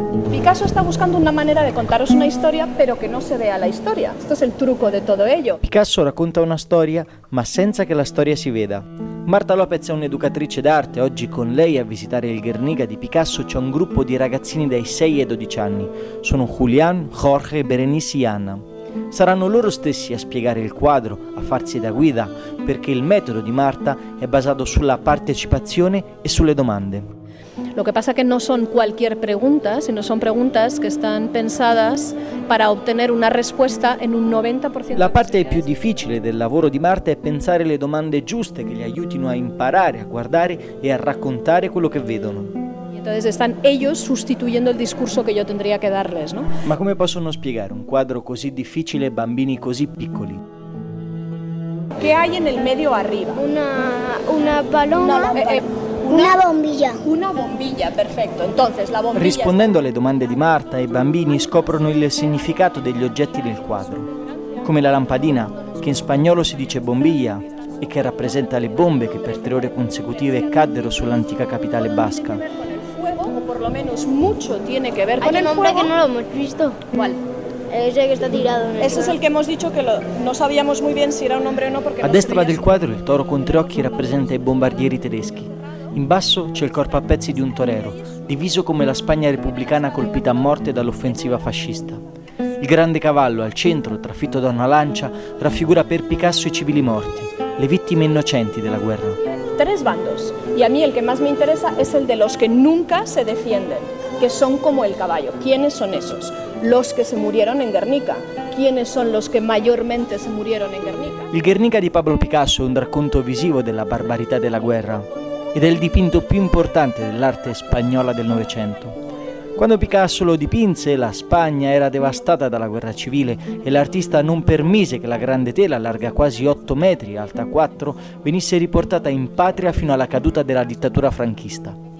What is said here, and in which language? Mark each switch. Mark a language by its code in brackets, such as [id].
[es] Picasso está buscando una manera de contaros una historia, pero que no se vea la historia. Esto es el truco de todo ello. [it] Picasso racconta una storia, ma senza che la storia si veda. Marta Lopez è un'educatrice d'arte. Oggi con lei a visitare il Guernica di Picasso c'è un gruppo di ragazzini dai 6 ai 12 anni. Sono Julian, Jorge, Berenice e Anna. Saranno loro stessi a spiegare il quadro, a farsi da guida, perché il metodo di Marta è basato sulla partecipazione e sulle domande. [es] Lo que pasa que no son cualquier pregunta, sino son preguntas que están pensadas para obtener una respuesta en un 90%. [it] La parte più difficile del lavoro di Marta è pensare le domande giuste che li aiutino a imparare, a guardare e a raccontare quello che vedono. [es] Entonces están ellos sustituyendo el discurso que yo tendría que darles, ¿no? [it] Ma come possono spiegare un quadro così difficile a bambini così piccoli? [es] ¿Qué hay en el medio arriba? Una paloma. Una bombilla, perfecto. Entonces, la bombilla. [it] Rispondendo alle domande di Marta, i bambini scoprono il significato degli oggetti del quadro. Come la lampadina, che in spagnolo si dice bombilla e che rappresenta le bombe che per 3 ore consecutive caddero sull'antica capitale basca. [es] O por lo menos mucho tiene que ver con el fuego. Hay un hombre que no lo hemos visto. ¿Cuál? Ese que está tirado. Ese es el que hemos dicho que no sabíamos muy bien si era un hombre o no. [it] A destra del quadro, il toro con 3 occhi rappresenta i bombardieri tedeschi. In basso c'è il corpo a pezzi di un torero, diviso come la Spagna repubblicana colpita a morte dall'offensiva fascista. Il grande cavallo, al centro, trafitto da una lancia, raffigura per Picasso i civili morti, le vittime innocenti della guerra. [es] 3 bandos, y a mí el que más me interesa es el de los que nunca se defienden, que son como el caballo. ¿Quiénes son esos? Los que se murieron en Guernica. ¿Quiénes son los que mayormente se murieron en Guernica? [it] Il Guernica di Pablo Picasso è un racconto visivo della barbarità della guerra ed è il dipinto più importante dell'arte spagnola del Novecento. Quando Picasso lo dipinse, la Spagna era devastata dalla guerra civile e l'artista non permise che la grande tela, larga quasi 8 metri, alta 4, venisse riportata in patria fino alla caduta della dittatura franchista.